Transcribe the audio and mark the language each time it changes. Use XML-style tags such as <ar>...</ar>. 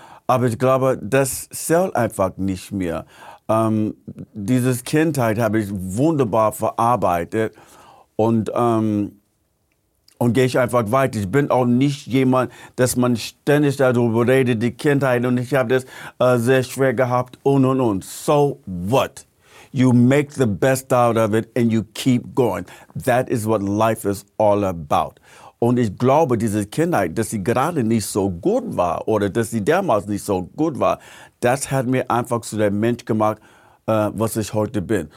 <de>Aber ich glaube, das zählt einfach nicht mehr. Dieses Kindheit habe ich wunderbar verarbeitet und gehe ich einfach weiter. Ich bin auch nicht jemand, dass man ständig darüber redet, die Kindheit, und ich habe das sehr schwer gehabt und.</de> <en>So what? You make the best out of it and you keep going. That is what life is all about.</en> <de>Und ich glaube, diese Kindheit, dass sie gerade nicht so gut war oder dass sie damals nicht so gut war, das hat mir einfach zu dem Mensch gemacht, was ich heute bin.</de>